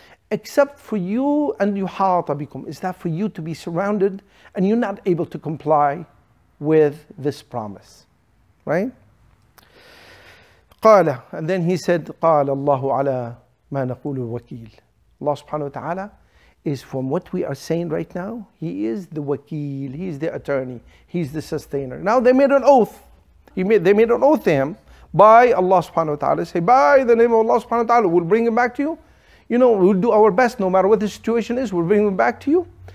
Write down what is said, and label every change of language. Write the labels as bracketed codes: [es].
[en] Except for you and [ar] yuhata bikum, [en] is that for you to be surrounded and you're not able to comply with this promise. Right? [ar] قال, [en] and then he said, [ar] قال الله على ما نقول الوكيل. [en] Allah subhanahu wa ta'ala is, from what we are saying right now, he is the wakil, he is the attorney, he is the sustainer. Now they made an oath. They made an oath to him by Allah subhanahu wa ta'ala. Say, by the name of Allah subhanahu wa ta'ala, we'll bring him back to you. You know, we'll do our best no matter what the situation is, we'll bring him back to you.